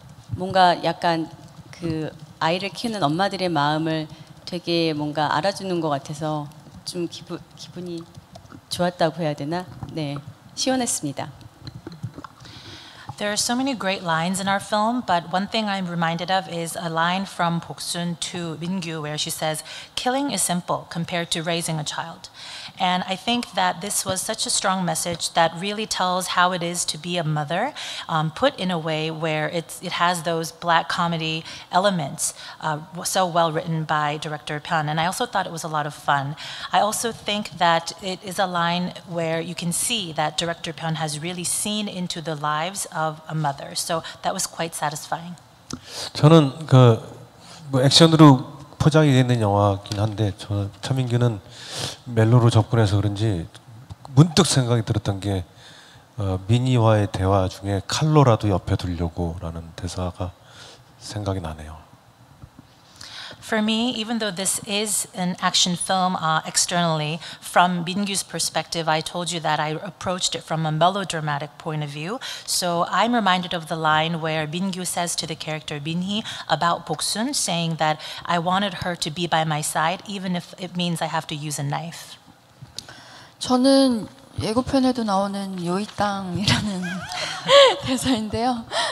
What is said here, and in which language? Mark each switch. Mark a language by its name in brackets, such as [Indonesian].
[Korean] 뭔가 약간 그 아이를 키우는 엄마들의 마음을 되게 뭔가 알아주는 것 같아서 좀 기분이 좋았다고 해야 되나? 네, 시원했습니다. [English] There are so many great lines in our film, but one thing I'm reminded of is a line from Park Soon to Mingyu where she says, killing is simple compared to raising a child. And I think that this was such a strong message that really tells how it is to be a mother, put in a way where it has those black comedy elements so well written by director Pan. And I also thought it was a lot of fun. I also think that it is a line where you can see that director Pan has really seen into the lives of a mother. So that was quite satisfying. [Korean] 저는 액션으로 포장이 되어 있는 영화긴 한데 저는 차민규는 멜로로 접근해서 그런지 문득 생각이 들었던 게 미니와의 대화 중에 칼로라도 옆에 두려고 라는 대사가 생각이 나네요. [English] For me, even though this is an action film externally, from Mingyu's perspective, I told you that I approached it from a melodramatic point of view. So I'm reminded of the line where Mingyu says to the character Minhee about Park Soon, saying that I wanted her to be by my side, even if it means I have to use a knife. [Korean] 저는 예고편에도 나오는 요이 땅이라는 대사인데요.